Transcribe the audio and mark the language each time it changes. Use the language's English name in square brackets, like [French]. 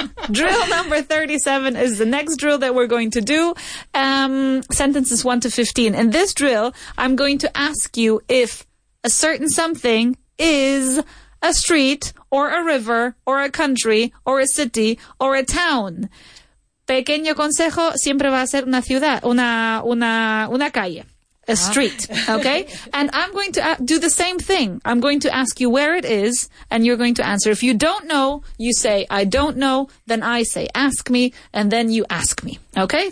[English] Drill number 37 is the next drill that we're going to do. Sentences 1 to 15. In this drill, I'm going to ask you if a certain something is a street or a river or a country or a city or a town. [Spanish] Pequeño consejo, siempre va a ser una ciudad, una calle. [English] A street, okay? And I'm going to do the same thing. I'm going to ask you where it is, and you're going to answer. If you don't know, you say, I don't know, then I say, ask me, and then you ask me, okay?